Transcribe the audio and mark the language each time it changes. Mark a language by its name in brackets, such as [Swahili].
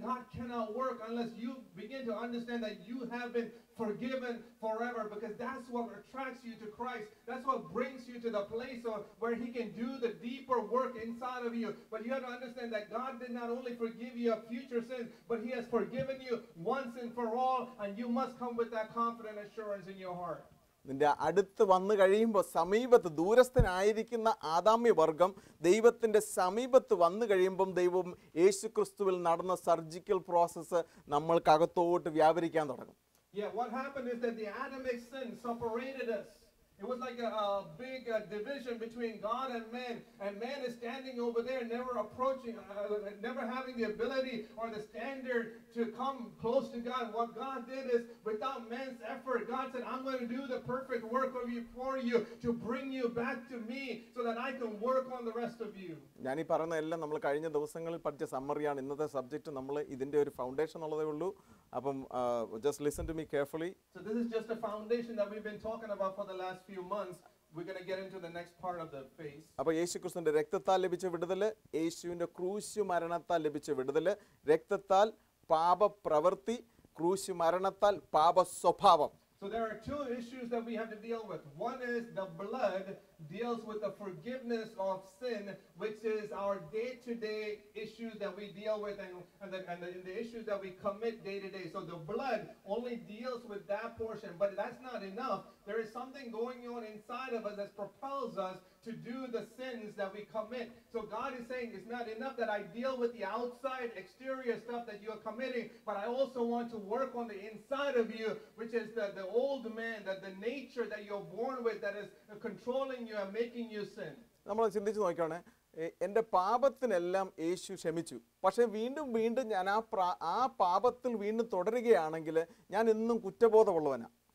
[English] God cannot work unless you begin to understand that you have been forgiven forever, because that's what attracts you to Christ. That's what brings you to the place of where He can do the deeper work inside of you. But you have to understand that God did not only forgive you of future sins, but He has forgiven you once and for all, and you must come with that confident assurance in your heart. [Malayalam] നിന്റെ അടുത്ത് വന്നു കഴിയുമ്പോൾ, സമീപത്ത് ദൂരസ്ഥനായിരിക്കുന്ന ആദാമ്യ വർഗം ദൈവത്തിൻ്റെ സമീപത്ത് വന്നു കഴിയുമ്പം ദൈവം യേശു ക്രിസ്തുവിൽ നടന്ന സർജിക്കൽ പ്രോസസ്സ് നമ്മൾക്കകത്തോട്ട് വ്യാപരിക്കാൻ തുടങ്ങും. [English] Yeah, what happened is that the Adamic sin separated us. It was like a big division between God and man. And man is standing over there, never approaching, never having the ability or the standard to come close to God. What God did is, without man's effort, God said, I'm going to do the perfect work of you for you to bring you back to me so that I can work on the rest of you. [Malayalam] ഞാനീ പറഞ്ഞതെല്ലാം നമ്മൾ കഴിഞ്ഞ ദിവസങ്ങളിൽ പഠിച്ച സമ്മറിയാണ്. ഇന്നത്തെ subject നമ്മൾ ഇതിൻ്റെ ഒരു ഫൗണ്ടേഷൻ ഉള്ളതേ ഉള്ളൂ. [English] അപ്പം just listen to me carefully. So this is just a foundation that we've been talking about for the last few months. We're going to get into the next part of the phase. [Malayalam] അപ്പൊ യേശുക്രിസ്തുവിന്റെ രക്തത്താൽ ലഭിച്ച വിടുതല്, യേശുവിന്റെ ക്രൂശു മരണത്താൽ ലഭിച്ച വിടുതല്, രക്തത്താൽ പാപ പ്രവൃത്തി, ക്രൂശു മരണത്താൽ പാപ സ്വഭാവം. [English] So there are two issues that we have to deal with. One is the blood deals with the forgiveness of sin, which is our day-to-day issues that we deal with and the issues that we commit day-to-day. So the blood only deals with that portion, but that's not enough. There is something going on inside of us that propels us to do the sins that we commit. So God is saying, it's not enough that I deal with the outside, exterior stuff that you are committing, but I also want to work on the inside of you, which is the old man, that the nature that you're born with that is controlling you and making you sin. [Malayalam] നമ്മൾ ചിന്തിച്ച് നോക്കണം, എൻ്റെ പാപത്തിനെല്ലാം യേശു ക്ഷമിച്ചു, പക്ഷെ വീണ്ടും വീണ്ടും ഞാൻ ആ പാപത്തിൽ വീണ്ടും തുടരുകയാണെങ്കിൽ ഞാൻ എന്നും കുറ്റബോധമുള്ളവനാ.